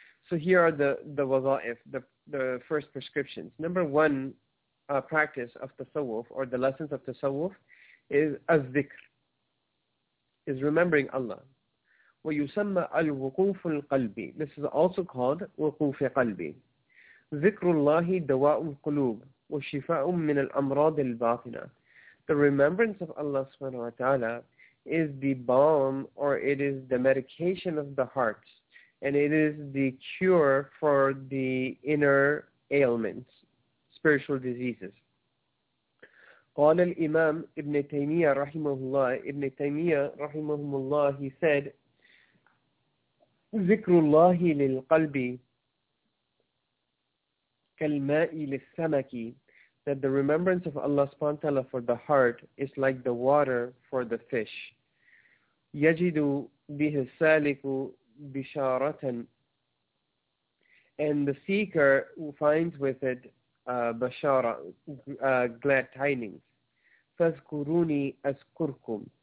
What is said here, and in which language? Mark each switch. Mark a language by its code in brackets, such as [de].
[en] So here are the wazaif, the first prescriptions. Number one practice of tasawwuf, or the lessons of tasawwuf, is az-zikr, is remembering Allah. [ar] ويسمى الوقوف القلبي. [en] This is also called وقوف قلبي. [ar] ذكر الله دواء القلوب وشفاء من الأمراض الباطنة. [en] The remembrance of Allah subhanahu wa ta'ala is the balm, or it is the medication of the heart, and it is the cure for the inner ailments, spiritual diseases. [ar] قال الإمام ابن تيمية رحمه الله. ابن تيمية رحمه الله, [en] he said, [ar] ذكر الله للقلب كالماء للسمك. [en] That the remembrance of Allah subhanahu wa ta'ala for the heart is like the water for the fish. [ar] يجد به السالك بشارة. [en] And the seeker finds with it بشارة, glad tidings. [ar] فاذكروني أذكركم.